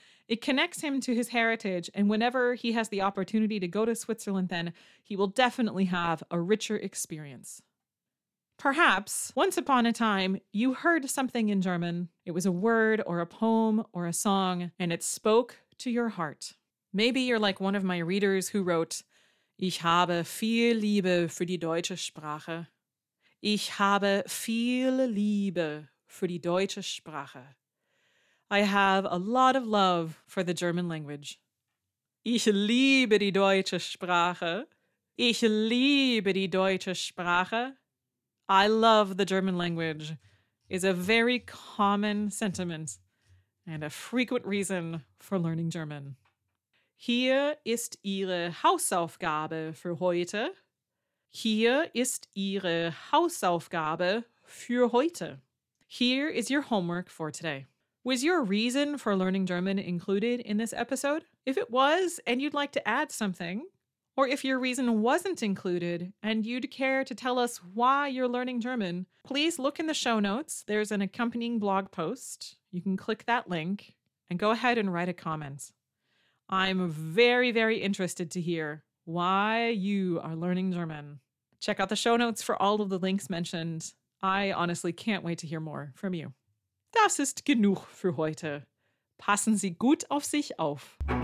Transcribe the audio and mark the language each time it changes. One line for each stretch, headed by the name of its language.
English: It connects him to his heritage, and whenever he has the opportunity to go to Switzerland then, he will definitely have a richer experience. Perhaps, once upon a time, you heard something in German. It was a word or a poem or a song, and it spoke to your heart. Maybe you're like one of my readers who wrote,
German: Ich habe viel Liebe für die deutsche Sprache. Ich habe viel Liebe für die deutsche Sprache.
English: I have a lot of love for the German language.
German: Ich liebe die deutsche Sprache. Ich liebe die deutsche Sprache.
English: I love the German language is a very common sentiment and a frequent reason for learning German.
German: Hier ist Ihre Hausaufgabe für heute. Hier ist Ihre Hausaufgabe für heute.
English: Here is your homework for today. Was your reason for learning German included in this episode? If it was and you'd like to add something, or if your reason wasn't included and you'd care to tell us why you're learning German, please look in the show notes. There's an accompanying blog post. You can click that link and go ahead and write a comment. I'm very, very interested to hear why you are learning German. Check out the show notes for all of the links mentioned. I honestly can't wait to hear more from you.
German: Das ist genug für heute. Passen Sie gut auf sich auf.